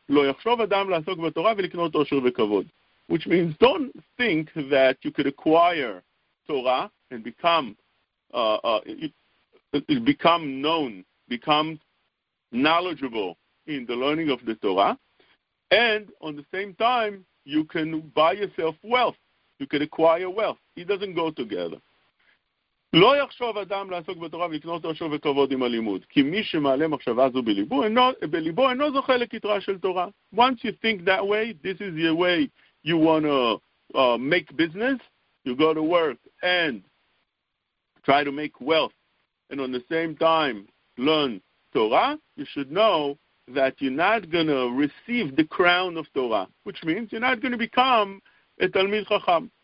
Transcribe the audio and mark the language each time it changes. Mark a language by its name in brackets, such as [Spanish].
[Hebrew] Lo yachshov adam la'asok b'torah v'liknot osher v'kavod. [English] Which means don't think that you could acquire Torah and become knowledgeable in the learning of the Torah. And on the same time, you can buy yourself wealth. You can acquire wealth. It doesn't go together. [Hebrew] לא יחשוב אדם לעסוק בתורה ולקנות עושר וכבוד עם הלימוד, כי מי שמעלה מחשבה זו בליבו אינו זוכה לכתרה של תורה. [English] Once you think that way, this is the way you want to make business, you go to work and try to make wealth, and on the same time learn Torah, you should know that you're not going to receive the crown of Torah, which means you're not going to become a Talmid Chacham.